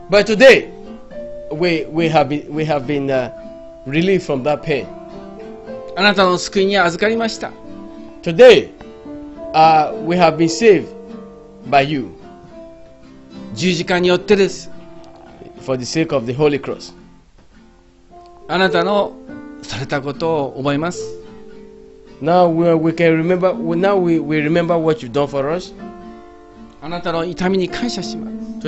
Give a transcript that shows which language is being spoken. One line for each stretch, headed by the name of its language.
English: But today we have been relieved from that pain.
Japanese: あなたの救いに預かりました。
English: Today we have been saved by you.
Japanese: 十字架によってです。
English: For the sake of the Holy Cross.
Japanese: あなたのされたことを覚えます。
English: Now we remember what you've done for us.
Japanese: あなたの痛みに感謝します。